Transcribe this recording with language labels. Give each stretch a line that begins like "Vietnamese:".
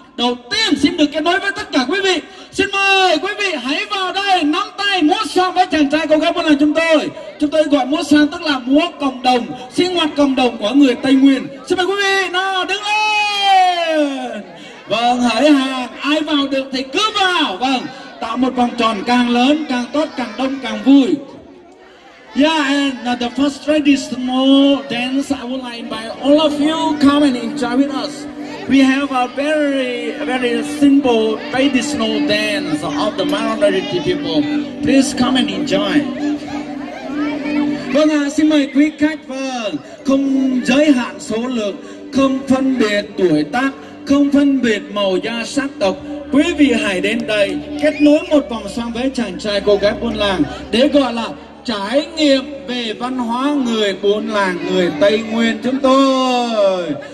Vietnamese: Đầu tiên xin được kết nối với tất cả quý vị. Xin mời quý vị hãy vào đây nắm tay múa xoang với chàng trai cô gái buôn làng chúng tôi. Chúng tôi gọi múa xoang tức là múa cộng đồng, sinh hoạt cộng đồng của người Tây Nguyên. Xin mời quý vị nào đứng lên. Vâng, hãy hàng, ai vào được thì cứ vào. Vâng, tạo một vòng tròn càng lớn càng tốt, càng đông càng vui.
English: Yeah, and the first traditional dance, I would like by all of you come and enjoy with us. We have a very, very simple traditional dance of the minority people. Please come and enjoy.
Vietnamese: Vâng, xin mời quý khách. Vâng, không giới hạn số lượng, không phân biệt tuổi tác, không phân biệt màu da sắc tộc. Quý vị hãy đến đây kết nối một vòng xoang với chàng trai cô gái buôn làng để gọi là trải nghiệm về văn hóa người buôn làng, người Tây Nguyên chúng tôi.